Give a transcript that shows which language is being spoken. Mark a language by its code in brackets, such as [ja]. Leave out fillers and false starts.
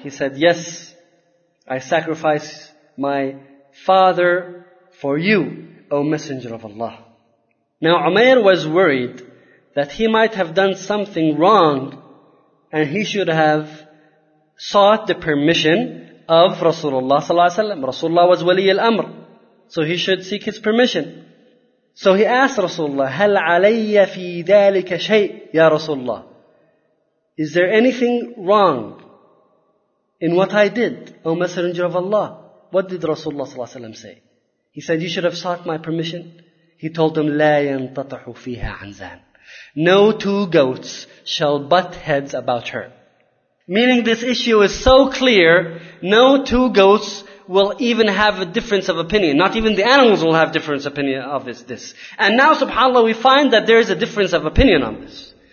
[en] He said, yes, I sacrifice my father for you, O Messenger of Allah. Now Umayr was worried that he might have done something wrong and he should have sought the permission of Rasulullah Sallallahu Alaihi Wasallam. Rasulullah was Wali al-Amr. So he should seek his permission. So he asked Rasulullah, [ar] هَلْ عَلَيَّ فِي ذَلِكَ شَيْءٍ يَا Rasulullah? [en] Is there anything wrong in what I did, O Messenger of Allah? What did Rasulullah Sallallahu Alaihi Wasallam say? He said, you should have sought my permission. He told him, [ar] لَا يَنْتَطَحُ فِيهَا عَنْزَانٍ. [en] No two goats shall butt heads about her. Meaning this issue is so clear, no two goats will even have a difference of opinion. Not even the animals will have difference of opinion of this. And now subhanAllah we find that there is a difference of opinion on this.